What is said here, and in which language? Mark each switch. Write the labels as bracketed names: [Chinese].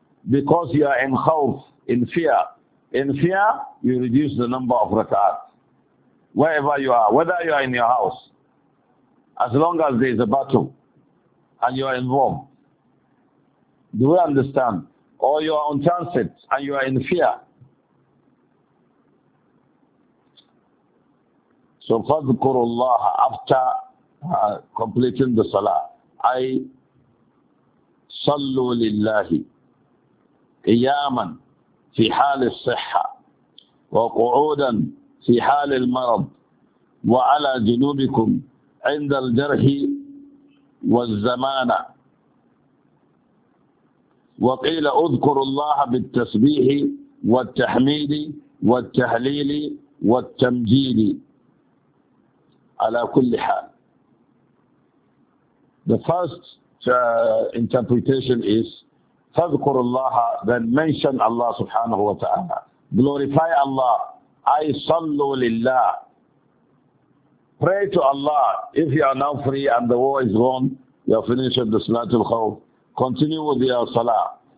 [English] Because you are in khawf, in fear. In fear, you reduce the number of rak'ahs. Wherever you are, whether you are in your house, as long as there is a battle and you are involved, do we understand? Or you are on transit and you are in fear. So, [Arabic] فَذْكُرُ اللَّهَ, [English] after completing the salah, [Arabic] أي صلوا لله قياما في حال الصحة وقعودا في حال المرض وعلى جنوبكم عند الجرح والزمان. وقيل اذكروا الله بالتسبيح والتحميد والتهليل والتمجيد على كل حال. [English] The first interpretation is [Arabic] فَذْكُرُ اللَّهَ, [English] then mention Allah subhanahu wa ta'ala, glorify Allah, [Arabic] أي صَلُّوا لِلَّهِ, [English] pray to Allah. If you are now free and the war is gone, you are finished with the salatul khawf, continue with your salah.